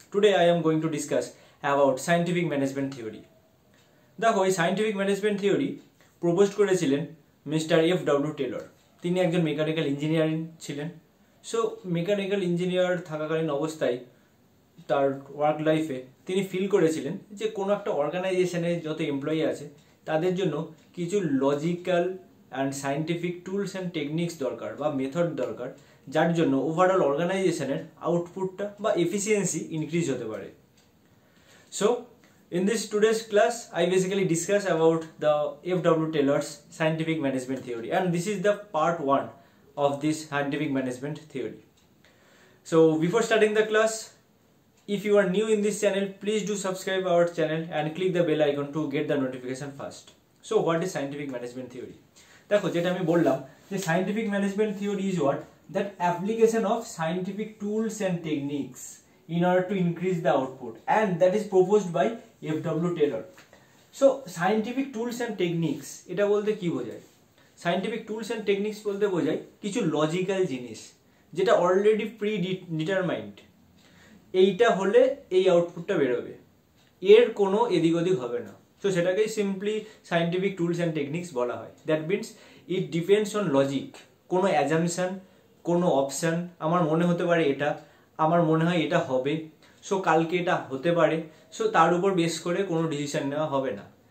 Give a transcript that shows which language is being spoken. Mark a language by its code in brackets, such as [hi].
[en] Today I am going to discuss about scientific management theory. [bn] দেখো এই scientific management theory proposed করেছিলেন Mr. F. W. Taylor. তিনি একজন mechanical engineer ছিলেন. So mechanical engineer থাকাকালীন অবস্থায় তার ওয়ার্ক লাইফে তিনি ফিল করেছিলেন যে কোনো একটা অর্গানাইজেশনে যত এমপ্লয়ি আছে তাদের জন্য কিছু logical and scientific tools and techniques দরকার বা মেথড দরকার যার জন্য ওভারঅল অর্গানাইজেশনের আউটপুটটা বা এফিসিয়েন্সি ইনক্রিজ হতে পারে. [en] So in this today's class I basically discuss about the F W Taylor's scientific management theory and this is the part one of this scientific management theory. So before starting the class, if you are new in this channel, please do subscribe our channel and click the bell icon to get the notification first. So what is scientific management theory? [bn] দেখো যেটা আমি বললাম যে scientific management theory [en] is what? That application of scientific tools and techniques in order to increase the output, and that is proposed by F. W. Taylor. So scientific tools and techniques, [bn] এটা বলতে কি বোঝায়? [en] Scientific tools and techniques [bn] বলতে বোঝায় কিছু [en] logical [bn] জিনিস যেটা [en] already predetermined. [bn] এইটা হলে এই আউটপুটটা বেরোবে, এর কোনো এদিক ওদিক হবে না. সো সেটাকেই simply scientific tools and techniques বলা হয়। [en] that means it depends on logic, [bn] কোনো অ্যাজাম্পশন, কোনো অপশন, আমার মনে হতে পারে এটা, আমার মনে হয় এটা হবে, সো কালকে এটা হতে পারে, সো তার উপর বেস করে কোনো ডিসিশান নেওয়া হবে না।